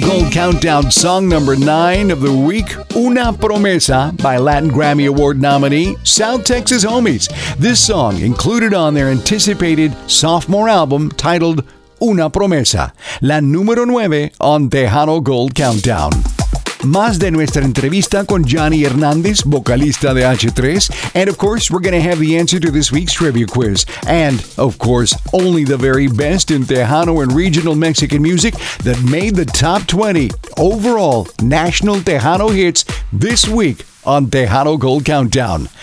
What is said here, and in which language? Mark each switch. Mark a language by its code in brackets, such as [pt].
[en] Countdown song number 9 of the week, Una Promesa, by Latin Grammy Award nominee South Texas Homies. This song included on their anticipated sophomore album titled Una Promesa, [es] la número 9 [en] on Tejano Gold Countdown. [es] más de nuestra entrevista con Johnny Hernandez, vocalista de H3. [en] And of course, we're going to have the answer to this week's trivia quiz. And of course, only the very best in Tejano and regional Mexican music that made the top 20 overall national Tejano hits this week on Tejano Gold Countdown.